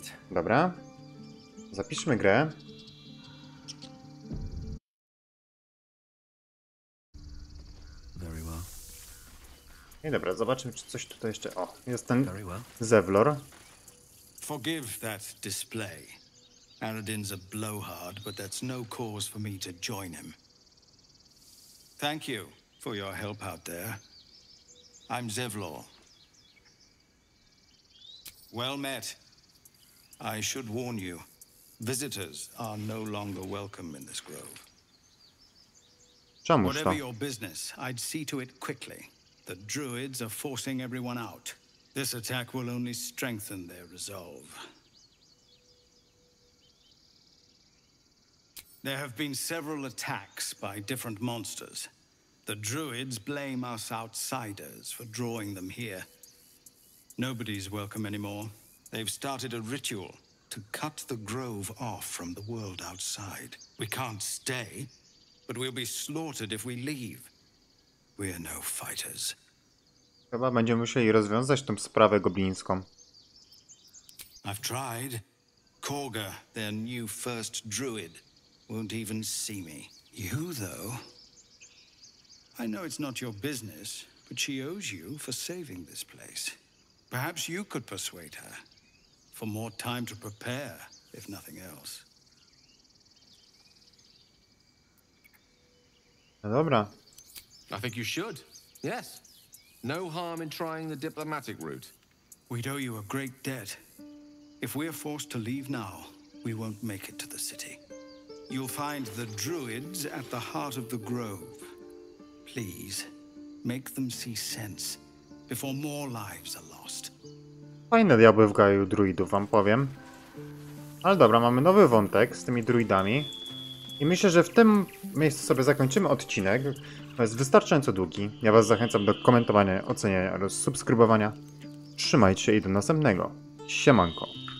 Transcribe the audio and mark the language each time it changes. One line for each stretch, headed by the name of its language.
Polish: Dobra, zapiszmy grę. I dobra, zobaczymy, czy coś tutaj jeszcze. O, jest ten Zevlor.
English: Forgive that display. Aladdin's a blowhard, but that's no cause for me to join him. Thank you for your help out there. I'm Zevlor. Well met. I should warn you, visitors are no longer welcome in this grove. Whatever your business, I'd see to it quickly. The druids are forcing everyone out. This attack will only strengthen their resolve. There have been several attacks by different monsters. The druids blame us outsiders for drawing them here. Nobody's welcome anymore. They've started a ritual to cut the grove off from the world outside. We can't stay, but we'll be slaughtered if we leave. We're no fighters.
Polish: Chyba będziemy musieli rozwiązać tą sprawę goblińską.
English: I've tried. Korga, their new first druid, won't even see me. You, though. I know it's not your business, but she owes you for saving this place. Perhaps you could persuade her for more time to prepare, if nothing else.
Polish: Dobra.
English: I think you should. Yes. No harm in trying the diplomatic route. We'd owe you a great debt. If we're forced to leave now, we won't make it to the city. You'll find the druids at the heart of the grove. Please, make them see sense before more lives are lost.
Polish: Fajne diabły w gaju druidów, wam powiem. Ale dobra, mamy nowy wątek z tymi druidami. I myślę, że w tym miejscu sobie zakończymy odcinek. To jest wystarczająco długi. Ja was zachęcam do komentowania, oceniania oraz subskrybowania. Trzymajcie się i do następnego. Siemanko.